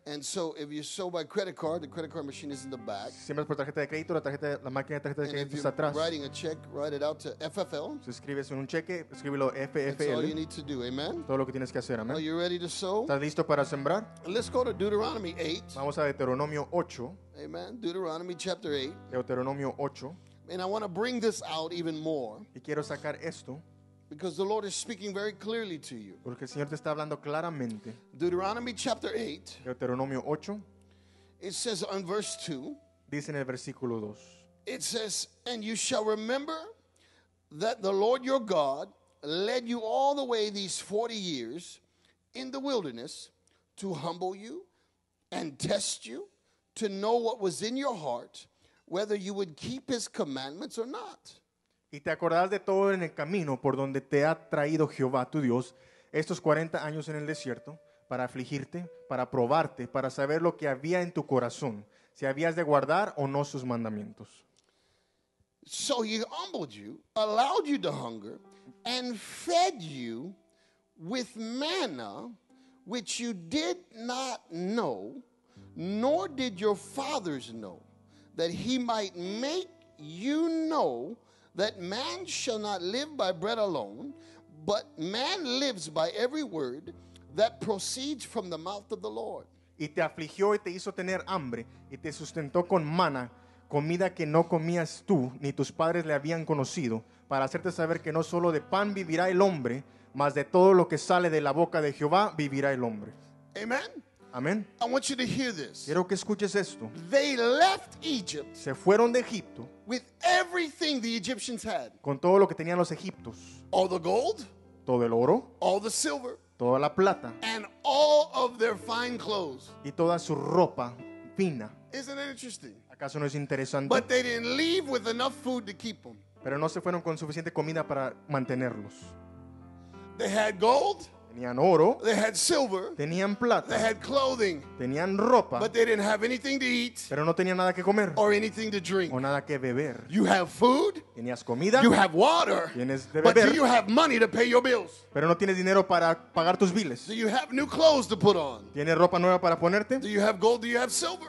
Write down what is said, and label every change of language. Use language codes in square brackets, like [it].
[en] And so if you sow by credit card, the credit card machine is in the back. [es] Si siembras por tarjeta de crédito, la máquina de tarjeta de crédito está atrás. [en] Writing a check, write it out to FFL. [es] Si escribes en un cheque, escríbelo FFL. [en] That's all you need to do. Amen. [es] Todo lo que tienes que hacer. Amen. [en] Are you ready to sow? [es] ¿Estás listo para sembrar? [en] Let's go to Deuteronomy 8. [es] Vamos a Deuteronomio 8. [en] Amen. Deuteronomy chapter 8. [es] Deuteronomio 8. [en] And I want to bring this out even more. [es] Y quiero sacar esto. [en] Because the Lord is speaking very clearly to you. [es] Porque el Señor te está hablando claramente. [en] Deuteronomy chapter 8. [es] Deuteronomio 8. [en] It says on verse 2. [es] Dice en el versículo 2. [en] It says, and you shall remember that the Lord your God led you all the way these 40 years in the wilderness to humble you and test you to know what was in your heart. Whether you would keep his commandments or not. [es] Y te acordarás de todo en el camino por donde te ha traído Jehová tu Dios estos 40 años en el desierto para afligirte, para probarte, para saber lo que había en tu corazón, si habías de guardar o no sus mandamientos. [en] So he humbled you, allowed you to hunger, and fed you with manna, which you did not know, nor did your fathers know. That he might make you know that man shall not live by bread alone, but man lives by every word that proceeds from the mouth of the Lord. [es] Y te afligió y te hizo tener hambre y te sustentó con maná, comida que no comías tú ni tus padres le habían conocido, para hacerte saber que no solo de pan vivirá el hombre, mas de todo lo que sale de la boca de Jehová vivirá el hombre. [en] Amen. Amen. I want you to hear this. [es] Quiero que escuches esto. [en] They left Egypt. [es] Se fueron de Egipto. [en] With everything the Egyptians had. [es] Con todo lo que tenían los egipcios. [en] All the gold. [es] Todo el oro. [en] All the silver. [es] Toda la plata. [en] And all of their fine clothes. [es] Y toda su ropa fina. [en] Isn't it interesting? [es] ¿Acaso no es interesante? [en] But they didn't leave with enough food to keep them. [es] Pero no se fueron con suficiente comida para mantenerlos. [en] They had gold. [es] Tenían oro. [en] They had silver. [es] Tenían plata. [en] They had clothing. [es] Tenían ropa. [en] But they didn't have anything to eat. [es] Pero no tenían nada que comer. [en] Or anything to drink. [es] O nada que beber. [en] You have food. [es] Tenías comida. [en] You have water. [es] Tienes de beber. [en] But do you have money to pay your bills? [es] Pero no tienes dinero para pagar tus biles. [en] Do you have new clothes to put on? [es] ¿Tienes ropa nueva para ponerte? [en] Do you have gold? Do you have silver?